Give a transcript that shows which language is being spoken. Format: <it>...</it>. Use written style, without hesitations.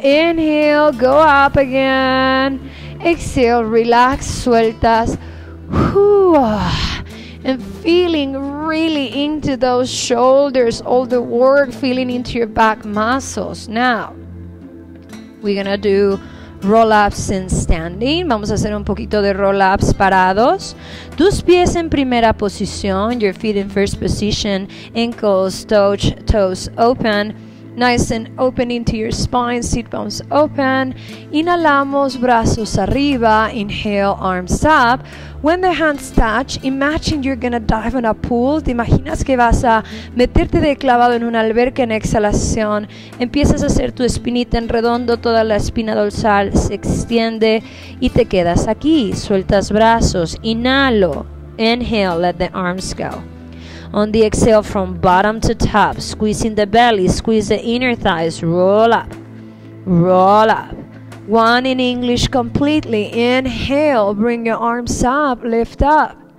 <en>Inhale, go up again. Exhale, relax,</en> <es>sueltas.</es> <en>And feeling really into those shoulders, all the work feeling into your back muscles. Now, we're gonna do roll-ups in standing.</en> <es>Vamos a hacer un poquito de roll-ups parados. Tus pies en primera posición.</es> <en>Your feet in first position. Ankles, toes open. Nice and open into your spine. Seat bones open.</en> <es>Inhalamos, brazos arriba.</es> <en>Inhale, arms up. When the hands touch, imagine you're gonna dive in a pool.</en> <es>Te imaginas que vas a meterte de clavado en una alberca en exhalación. Empiezas a hacer tu espinita en redondo. Toda la espina dorsal se extiende y te quedas aquí. Sueltas brazos. Inhalo.</es> <en>Inhale, let the arms go. On the exhale, from bottom to top, squeezing the belly, squeeze the inner thighs, roll up, roll up. One in English completely. Inhale, bring your arms up, lift up.</en>